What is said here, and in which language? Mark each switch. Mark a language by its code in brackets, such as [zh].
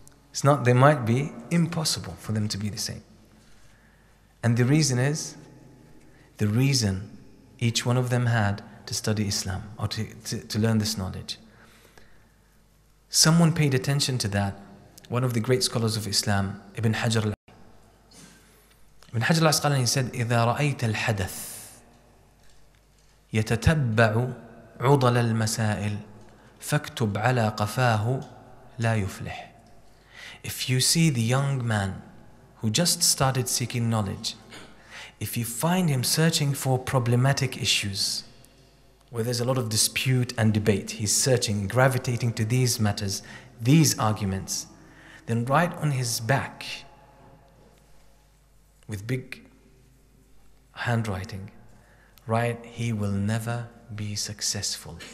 [en] It's not they might be, impossible for them to be the same. And the reason is, the reason each one of them had to study Islam or to learn this knowledge. Someone paid attention to that. One of the great scholars of Islam, Ibn Hajar al-Asqalani. [ar] Ibn Hajar al-Asqalani said, إِذَا رَأَيْتَ الْحَدَثِ يَتَتَبَّعُ عُضَلَ الْمَسَائِلِ فَاكْتُبْ عَلَى قَفَاهُ لَا يُفْلِحِ. [en] If you see the young man who just started seeking knowledge, if you find him searching for problematic issues, where there's a lot of dispute and debate, he's searching, gravitating to these matters, these arguments, then right on his back, with big handwriting, write, he will never be successful.